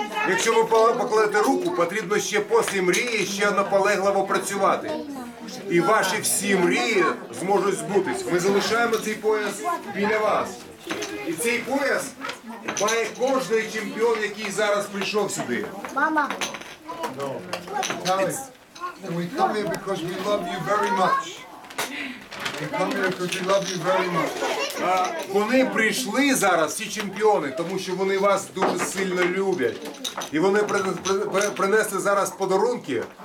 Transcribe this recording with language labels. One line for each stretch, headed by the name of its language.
Ukrainian: Якщо ви покладете руку, потрібно ще після мрії ще наполегливо працювати. і ваші всі мрії зможуть збутись. Ми залишаємо цей пояс біля вас. І цей пояс має кожний чемпіон, який зараз прийшов сюди. Мама.
English: And we come here because we love you very much. We come here because we love you very much.
Ukrainian: Вони прийшли зараз, ці чемпіони, тому що вони вас дуже сильно люблять. І вони принесли зараз подарунки.